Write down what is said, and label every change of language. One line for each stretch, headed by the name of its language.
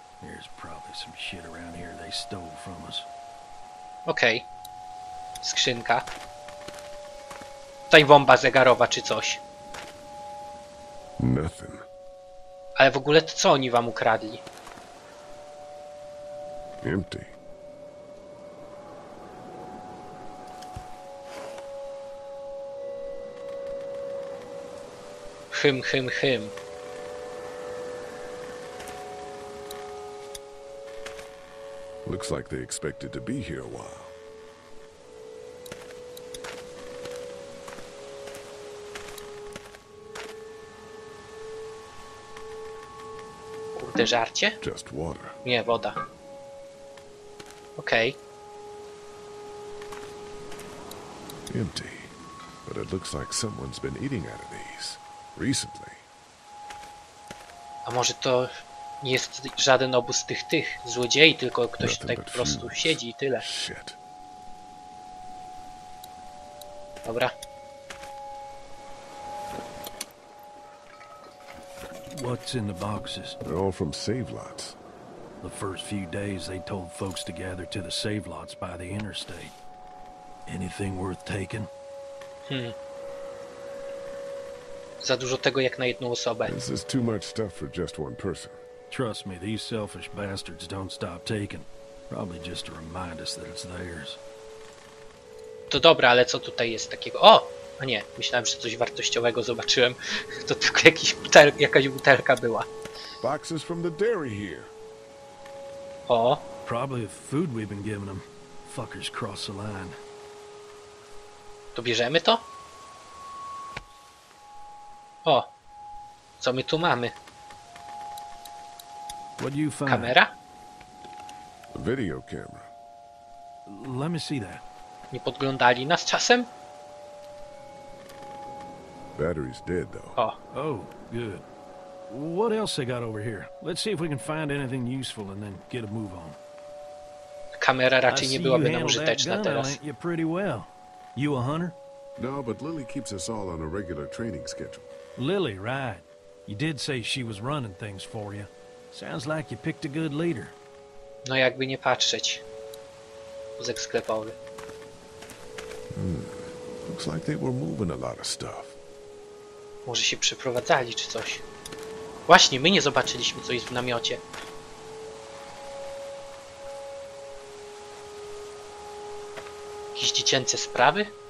English: There's probably some shit around here they stole from us.
Polish: Okej. Okay. Skrzynka. Tutaj bomba zegarowa czy coś.
English: Nothing.
Polish: Ale w ogóle to co oni wam ukradli?
English: Empty. Hym, hym, hym. Looks like they expected to be here a while.
Polish: Kurde, żarcie?
English: Just water.
Polish: Nie, woda. Okej.
English: Okay. Empty. But it looks like someone's been eating out of these. Recently.
Polish: A może to nie jest żaden obóz tych złodziei, tylko ktoś tutaj po prostu siedzi i tyle.
English: Shit.
Polish: Dobra.
English: What's in the boxes? They're all from save lots. The first few days they told folks to gather to the save lots by the interstate. Anything worth taking? Hmm.
Polish: Za dużo tego jak na jedną osobę.
English: This is too much stuff for just one person. Trust me, these selfish bastards don't stop taking. Probably just to remind us that it's theirs.
Polish: To dobra, ale co tutaj jest takiego? O! A nie, myślałem, że coś wartościowego zobaczyłem. To tylko jakaś butelka była.
English: Boxes from the dairy here. O! Probably the food we've been giving them. Fuckers cross the line.
Polish: To bierzemy to? O, co my tu mamy? Kamera?
English: Video camera. Let me see that.
Polish: Nie podglądali nas czasem?
English: Battery's dead though. O. Oh, good. What else they got over here? Let's see if we can find anything useful and then get a move on.
Polish: Kamera raczej nie byłaby nam użyteczna teraz.
English: You pretty well. You a hunter? No, but Lily keeps us all on a regular training schedule. Lily, right. You did say she was running things for you. Sounds like you picked a good leader.
Polish: No jakby nie patrzeć. Muzyk sklepowy.
English: Looks like they were moving a lot of stuff.
Polish: Może się przeprowadzali czy coś. Właśnie, my nie zobaczyliśmy co jest w namiocie. Jakieś dziecięce sprawy?